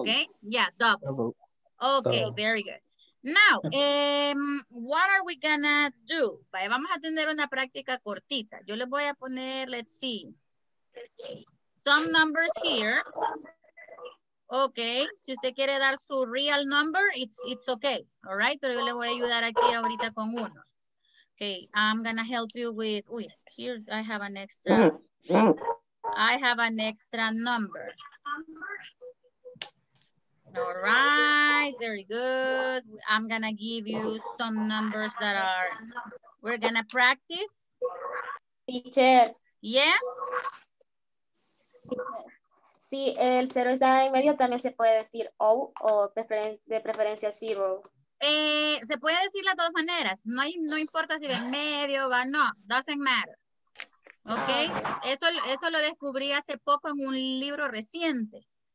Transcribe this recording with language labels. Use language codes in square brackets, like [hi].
[en] Okay. Yeah, double. Okay, double. Very good. Now, what are we gonna do? [es] Vamos a tener una práctica cortita. Yo les voy a poner, [en] let's see, some numbers here. [es] Okay, si usted quiere dar su [en] real number, it's okay. All right, [es] pero yo le voy a ayudar aquí ahorita con uno. [en] Okay, I'm gonna help you with, here I have an extra, number. All right, very good. I'm gonna give you some numbers that are, we're gonna practice. Teacher. Yes? [es] Si el cero está en medio, también se puede decir O o de preferencia zero. Se puede decir de todas maneras, no importa si ven medio o no, [en] doesn't matter. [es] Okay, eso lo descubrí hace poco en un libro reciente.